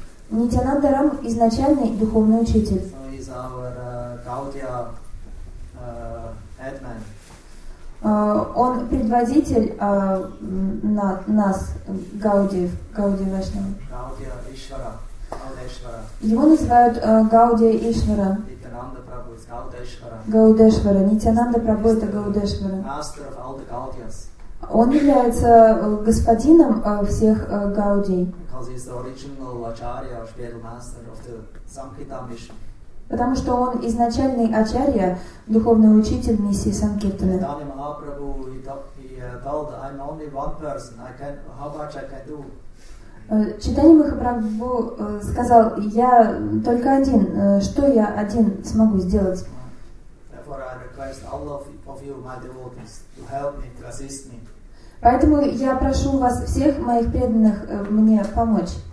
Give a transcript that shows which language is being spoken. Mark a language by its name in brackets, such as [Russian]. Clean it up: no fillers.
[Russian] Нитянанда Рам – изначальный духовный учитель. [English] So he's our Gaudiya headman. [Russian] Он предводитель на нас, Гаудиев, Гаудия Вашнава. Гаудия Ишвара. Его называют Гаудия Ишвара. Нитянанда Прабху – Гаудешвара. Гаудешвара. Нитянанда Прабху – это Гаудешвара. [English] Master of all the Gaudiyas. [Russian] Он является господином всех гаудий. [English] Because he's the original acharya, spiritual master of the Sankirtan mission. [Russian] Потому что он изначальный ачарья, духовный учитель миссии Санкиртаны. [English] Дали Махапрабху, he told, I'm only one person, I can, how much I can do. [Russian] Читани Махапрабху сказал, я только один, что я один смогу сделать? [English] Therefore I request all of you, my devotees, to help me, to assist me. [Russian] Поэтому я прошу вас всех моих преданных мне помочь.